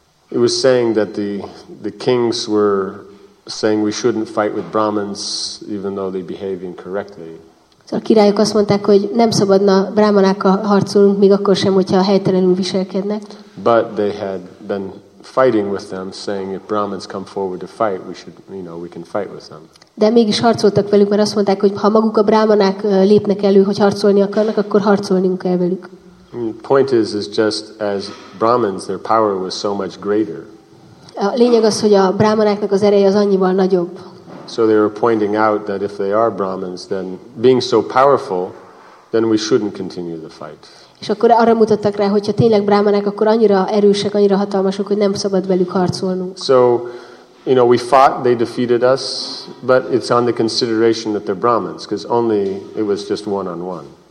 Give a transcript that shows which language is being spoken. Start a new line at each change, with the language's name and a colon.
English: It was saying that the kings were saying we shouldn't fight with Brahmins even though they behave incorrectly.
Hungarian: A királyok azt mondták, hogy nem szabadna brahmanákkal harcolnunk, még akkor sem, hogyha helytelenül viselkednek.
English: But they had been fighting with them, saying if Brahmins come forward to fight, we can fight with them.
Hungarian: De mégis harcoltak velük, mert azt mondták, hogy ha maguk a brahmanák lépnek elő, hogy harcolni akarnak, akkor harcolnunk kell velük.
English: Point is just as Brahmins, their power was so much greater.
Hungarian: A lényeg az, hogy a brahmanáknak az ereje az annyival nagyobb.
English: So they were pointing out that if they are Brahmins, then being so powerful, then we shouldn't continue the fight.
Hungarian: És akkor arra mutattak rá, hogy ha tényleg brahmanák, akkor annyira erősek, annyira hatalmasok, hogy nem szabad velük harcolnunk.
English: So you know, we fought, they defeated us, but it's on the consideration that they're Brahmins, because only it was just one-on-one.